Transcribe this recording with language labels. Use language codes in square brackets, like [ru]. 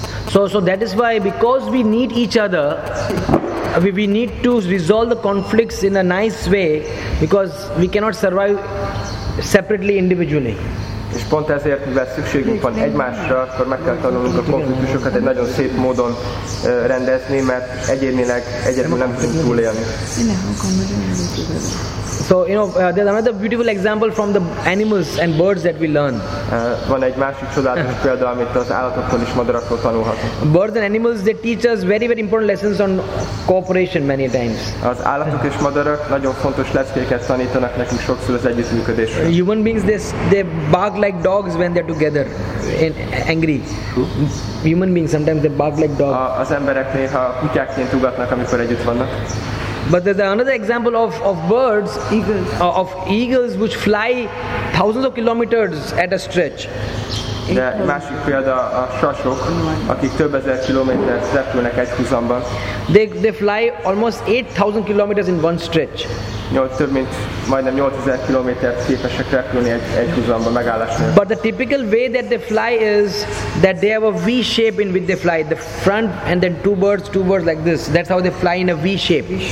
[en] So that is why, because we need each other, we need to resolve the conflicts in a nice way, because we cannot survive separately, individually. [hu] És pont ezért, mivel szükségünk van egymásra, akkor meg kell tanulnunk a konfliktusokat egy nagyon szép módon rendezni, mert egyénileg egyedül nem tudunk túlélni. [en] So, you know, there's another beautiful example from the animals and birds that we learn. [hu] Van egy másik csodálatos példa, amit az állatoktól és madaraktól tanulhatunk. [en] Birds and animals, they teach us very, very important lessons on cooperation many times. [hu] Az állatok és madarak nagyon fontos leckéket tanítanak nekünk sokszor az együttműködésre. [en] Human beings, they bark like dogs when they're together, angry. Who? Human beings, sometimes they bark like dogs. [hu] Az emberek néha kutyákként ugatnak, amikor együtt vannak. [en] But there's another example of birds, eagles. Of eagles which fly thousands of kilometers at a stretch. [hu] De másik példa a sasok, akik több ezer kilométert repülnek egy húzamban. [en] They fly almost 8,000 kilometers in one stretch. [hu] Több mint majdnem 8,000 kilométert képesek repülni egy húzamban megállás nélkül. [en] But the typical way that they fly is that they have a V shape in which they fly. The front and then two birds like this. That's how they fly in a V shape.